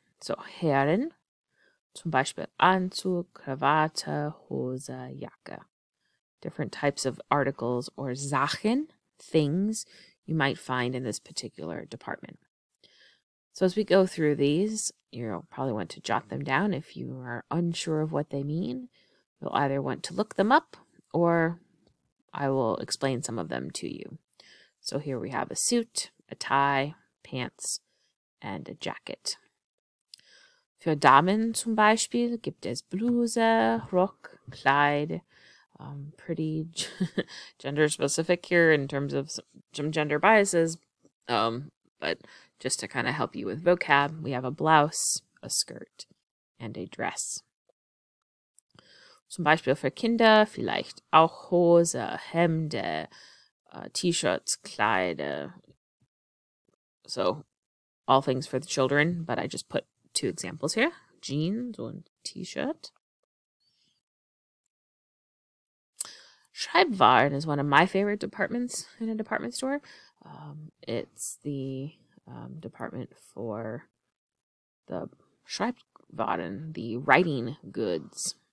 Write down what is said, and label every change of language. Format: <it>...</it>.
<de>So Herren, zum Beispiel Anzug, Krawatte, Hose, Jacke.</de> <en>Different types of articles or Sachen, things you might find in this particular department. So as we go through these, you'll probably want to jot them down if you are unsure of what they mean. You'll either want to look them up or I will explain some of them to you. So here we have a suit, a tie, pants, and a jacket.</en> <de>Für Damen zum Beispiel gibt es Bluse, Rock, Kleid.</de> <en>Pretty gender specific here in terms of some gender biases, but just to kind of help you with vocab, we have a blouse, a skirt, and a dress.</en> <de>Zum Beispiel für Kinder vielleicht auch Hose, Hemde, T-Shirts, Kleider.</de> <en>So, all things for the children, but I just put two examples here: jeans and T-shirt. Schreibwaren is one of my favorite departments in a department store. It's the department for the Schreibwaren, the writing goods.</en>